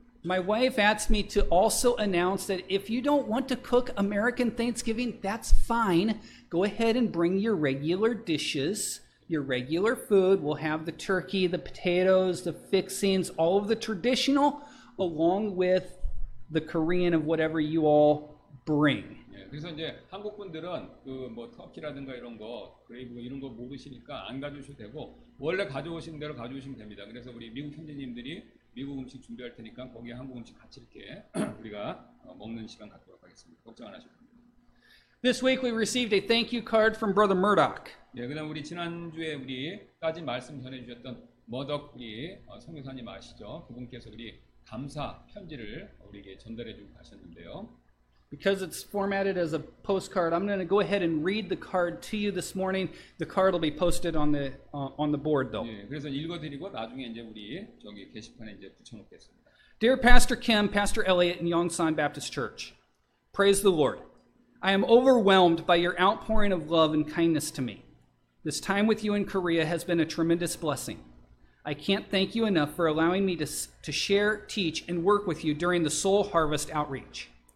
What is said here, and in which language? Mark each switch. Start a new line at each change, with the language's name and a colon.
English: My wife asked me to also announce that if you don't want to cook American Thanksgiving, that's fine. Go ahead and bring your regular dishes, your regular food. We'll have the turkey, the potatoes, the fixings, all of the traditional, along with the Korean of whatever you all bring.
Korean: 예, 그래서 이제 한국 분들은 그 뭐 터키라든가 이런 거, 그레이브 이런 거 모르시니까 안 가져오셔도 되고 원래 가져오신 대로 가져오시면 됩니다. 그래서 우리 미국 현지인들이 미국 음식 준비할 테니까 거기 한국 음식 같이 이렇게 우리가 먹는 시간 갖도록 하겠습니다. 걱정 안 하셔도 됩니다.
English: This week we received a thank you card from Brother Murdoch.
Korean: 네, 그다음 우리 지난주에 우리까지 말씀 전해 주셨던 머덕이 선교사님 아시죠? 그분께서 우리 감사 편지를 우리에게 전달해 주고 가셨는데요.
English: Because it's formatted as a postcard, I'm going to go ahead and read the card to you this morning. The card will be posted on the board, though.
Korean: 예, 그래서 읽어드리고 나중에 이제 우리 저기 게시판에 이제 붙여놓겠습니다.
English: Dear Pastor Kim, Pastor Elliot, and Yongsan Baptist Church, praise the Lord. I am overwhelmed by your outpouring of love and kindness to me. This time with you in Korea has been a tremendous blessing. I can't thank you enough for allowing me to share, teach, and work with you during the Soul Harvest Outreach.